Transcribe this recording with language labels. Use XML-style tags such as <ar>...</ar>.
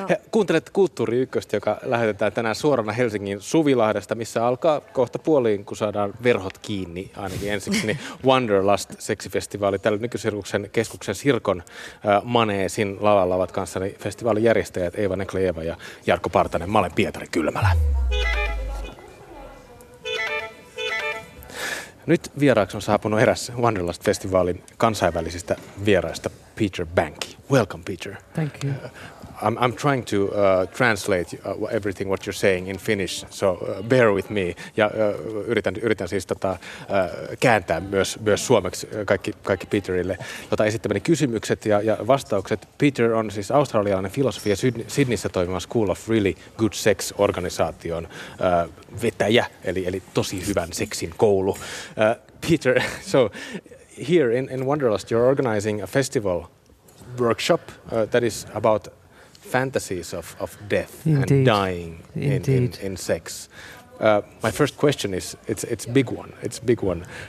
<fi>Kuuntelet Kulttuuri Ykköstä, joka lähetetään tänään suorana Helsingin Suvilahdesta, missä alkaa kohta puoliin, kun saadaan verhot kiinni ainakin ensiksi, niin Wanderlust-seksifestivaali tällä Nykysirkuksen keskuksen Sirkon maneesin lavalla ovat kanssani festivaalin järjestäjät Eeva Neklejeva ja Jarkko Partanen. Mä olen Pietari Kylmälä. Nyt vieraaksi on saapunut eräs Wanderlust-festivaalin kansainvälisistä vieraista, Peter Banky.</fi> <en>Welcome, Peter. Thank you. I'm trying to translate everything what you're saying in Finnish, so bear with me.</en> <fi>Ja yritän siis kääntää myös suomeksi kaikki Peterille, jota esittämäni kysymykset ja vastaukset. Peter on siis australialainen filosofi ja Sydneyssä toimiva School of Really Good Sex -organisaation vetäjä, eli tosi hyvän seksin koulu.</fi> <en>Peter, so here in Wanderlust you're organizing a festival workshop that is about fantasies of death. Indeed. And dying in sex. My first question is, it's a big one.</en>